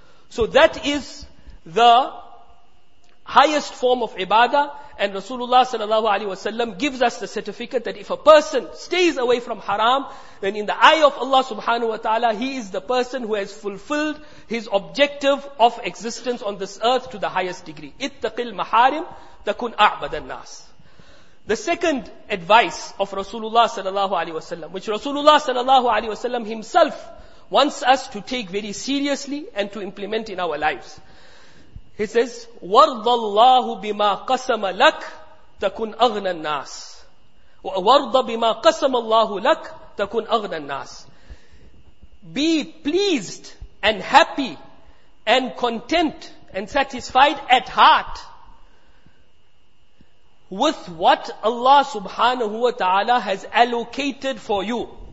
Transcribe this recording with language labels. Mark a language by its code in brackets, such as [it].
[en] So that is the highest form of ibadah, and Rasulullah sallallahu alaihi wasallam gives us the certificate that if a person stays away from haram, then in the eye of Allah subhanahu wa ta'ala, he is the person who has fulfilled his objective of existence on this earth to the highest degree. [ar] اتَّقِ الْمَحَارِمْ تَكُنْ أَعْبَدَ النَّاسِ. [en] The second advice of Rasulullah sallallahu alaihi wasallam, which Rasulullah sallallahu alaihi wasallam himself wants us to take very seriously and to implement in our lives. He says, [ar] وَرْضَ اللَّهُ بِمَا قَسَمَ لَكْ تَكُنْ أَغْنَى النَّاسِ. وَرْضَ بِمَا قَسَمَ اللَّهُ لَكْ تَكُنْ أَغْنَى النَّاسِ. [en] Be pleased and happy and content and satisfied at heart with what Allah subhanahu wa ta'ala has allocated for you.